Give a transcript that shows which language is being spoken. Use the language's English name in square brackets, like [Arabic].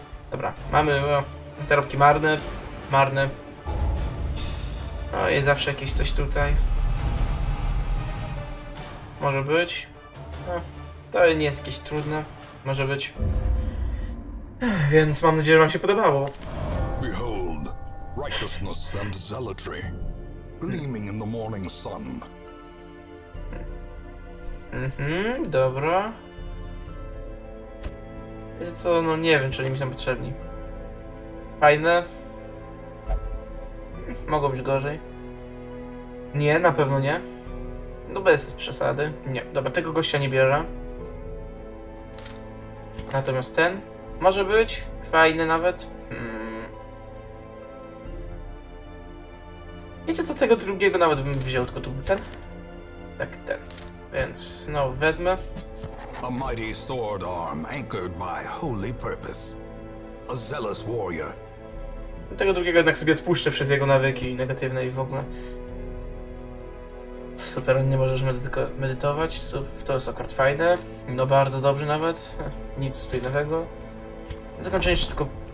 [Polish] Dobra, mamy zarobki marne. No i zawsze jakieś coś tutaj. Może być. No, to nie jest jakieś trudne. Może być. Więc mam nadzieję, że wam się podobało. [English] Behold, righteousness and zealotry. Gleaming in the morning sun. [Polish] Dobra. Wiecie co, no nie wiem, czy oni mi są potrzebni. Fajne. Mogą być gorzej. Nie, na pewno nie. No bez przesady. Nie, dobra, tego gościa nie biorę. Natomiast ten może być fajny nawet. Wiecie co, tego drugiego nawet bym wziął, tylko tu był ten. Tak, ten. Więc, no, wezmę. [English] A mighty sword arm anchored by holy purpose. [Polish] A zealous warrior. Tego drugiego jednak sobie odpuszczę przez jego nawyki negatywne i w ogóle. Super, nie możesz medytować. To jest akurat fajne. No, bardzo dobrze nawet. Nic fajnego. Zakończenie jeszcze tylko...